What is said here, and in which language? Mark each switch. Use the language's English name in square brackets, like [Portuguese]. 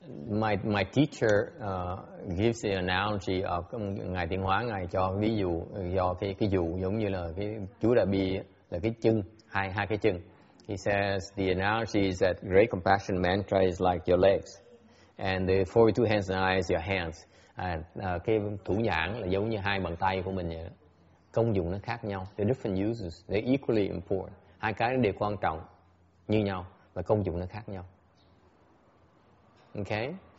[English] My teacher gives the analogy of [Vietnamese] ngài tiến hóa, ngài cho ví dụ do cái dụ giống như là cái chú đại bi là cái chân, hai cái chân. [English] He says the analogy is that Great Compassion Mantra is like your legs, and the 42 hands and eyes your hands. [Vietnamese] Cái thủ nhãn là giống như hai bàn tay của mình vậy. Công dụng nó khác nhau. [English] They're different uses. They're equally important. [Vietnamese] Hai cái đều quan trọng. như nhau và công dụng nó khác nhau. Okay.